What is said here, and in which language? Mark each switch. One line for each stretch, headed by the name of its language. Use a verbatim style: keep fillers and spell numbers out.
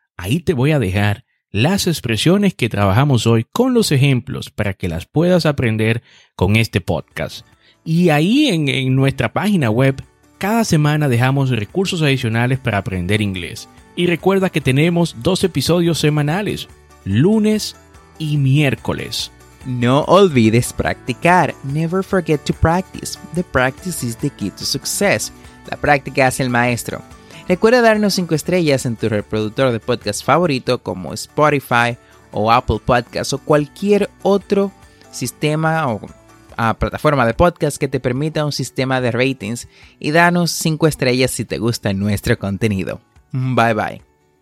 Spanish: Ahí te voy a dejar las expresiones que trabajamos hoy con los ejemplos para que las puedas aprender con este podcast. Y ahí en, en nuestra página web, cada semana dejamos recursos adicionales para aprender inglés. Y recuerda que tenemos dos episodios semanales, lunes y miércoles. No olvides practicar.
English: Never forget to practice. The practice is the key to success.
Spanish: La práctica hace el maestro. Recuerda darnos cinco estrellas en tu reproductor de podcast favorito como Spotify o Apple Podcasts o cualquier otro sistema o uh, plataforma de podcast que te permita un sistema de ratings, y danos cinco estrellas si te gusta nuestro contenido. Bye bye.